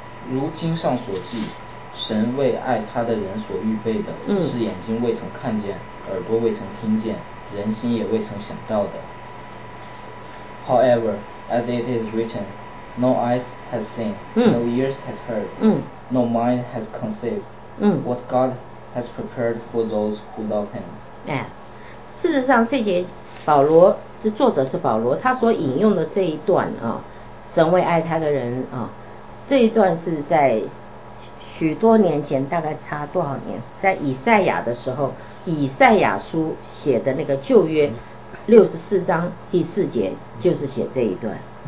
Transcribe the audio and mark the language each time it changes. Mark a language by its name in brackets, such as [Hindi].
[Chinese] 如经上所记，神为爱他的人所预备的，是眼睛未曾看见，耳朵未曾听见，人心也未曾想到的。 [English] However, as it is written, No eyes has seen, No ears has heard, No mind has conceived, What God has prepared for those who love him. [Chinese] 事实上这节保罗，这作者是保罗，他所引用的这一段啊，神为爱他的人啊，这一段是在许多年前，大概差多少年，在以赛亚的时候，以赛亚书写的那个旧约64章第4节就是写这一段、